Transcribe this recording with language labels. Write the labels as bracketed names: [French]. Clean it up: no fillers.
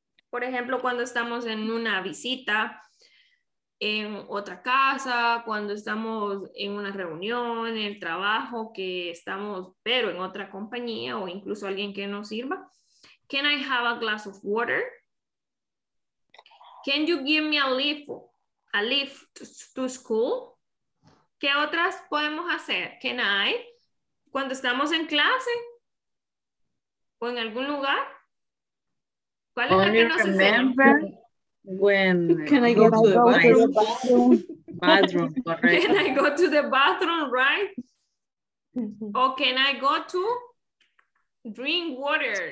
[Spanish] Por ejemplo, cuando estamos en una visita en otra casa, cuando estamos en una reunión, en el trabajo que estamos, pero en otra compañía o incluso alguien que nos sirva. [English] Can I have a glass of water? Can you give me a lift to school? [Spanish] ¿Qué otras podemos hacer? [English] Can I? [Spanish] Cuando estamos en clase o en algún lugar, ¿cuál es la que nos enseña? When [English] can I go to the bathroom? Bathroom, correct. Can I go to the bathroom, right? O can I go to drink water?